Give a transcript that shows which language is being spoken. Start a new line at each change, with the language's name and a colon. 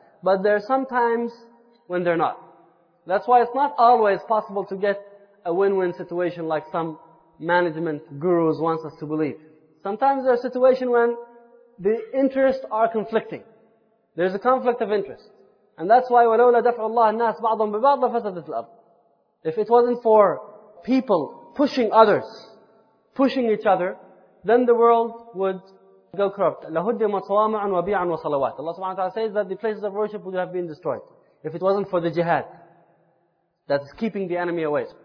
English: But there are some times when they're not. That's why it's not always possible to get a win-win situation like some management gurus want us to believe. Sometimes there are situations when the interests are conflicting. There's a conflict of interest. And that's why,
Arabic: وَلَوْلَا دَفْعُ اللَّهِ النَّاسِ بَعْضًا بِبَعْضًا لَفَسَدَتْ الْأَرْضِ.
English: If it wasn't for people pushing others, pushing each other, then the world would go corrupt.
Arabic: لَهُدِّمَتْ صَوَامِعًا وَبِيعًا وَصَلَوَاتٍ.
English: Allah subhanahu wa ta'ala says that the places of worship would have been destroyed. If it wasn't for the jihad that is keeping the enemy away.